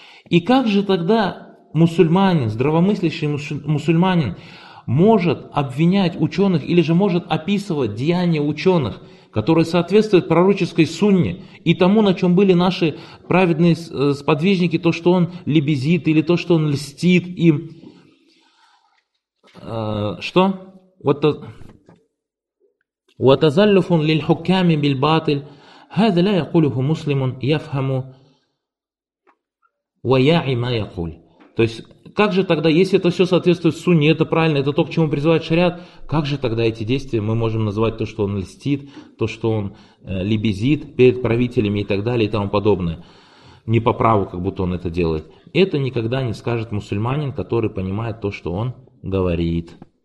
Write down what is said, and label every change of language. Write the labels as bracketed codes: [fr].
[ru] И как же тогда мусульманин, здравомыслящий мусульманин, может обвинять ученых или же может описывать деяния ученых, которые соответствуют пророческой сунне и тому, на чем были наши праведные сподвижники, то, что он лебезит или то, что он льстит им. Что? Вот это... [ar] وتزلف للحكام بالباطل هذا لا يقوله مسلم يفهم ويعي ما يقول. [ru] То есть как же тогда, если это все соответствует сунне, это правильно, это то, к чему призывает шариат, как же тогда эти действия мы можем называть то, что он льстит, то, что он лебезит перед правителями и так далее и тому подобное, не по праву, как будто он это делает. Это никогда не скажет мусульманин, который понимает то, что он говорит.